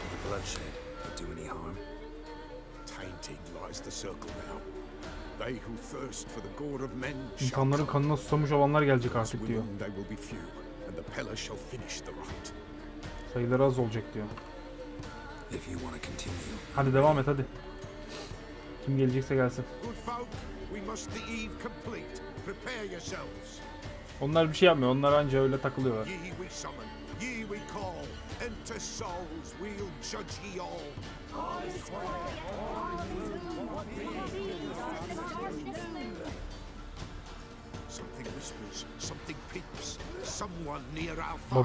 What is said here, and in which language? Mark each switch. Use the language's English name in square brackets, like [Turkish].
[English] Bloodshed could do any harm. Tainted lies the circle now. They who thirst for the gore of men. [Turkish] İnsanların kanına susamış olanlar gelecek artık diyor. [English] They will be few, and the Pella shall finish the rot. [Turkish] Sayıları az olacak diyor. [English] If you want to continue. [Turkish] Hadi devam et hadi. Kim gelecekse gelsin. [English] Good folk, we must the eve complete. Prepare yourselves. [Turkish] Onlar bir şey yapmıyor. Onlar anca öyle takılıyorlar. [English] Ye we summon, ye we call. Enter souls, we'll judge ye all. Something whispers, something peeps, someone near our fire.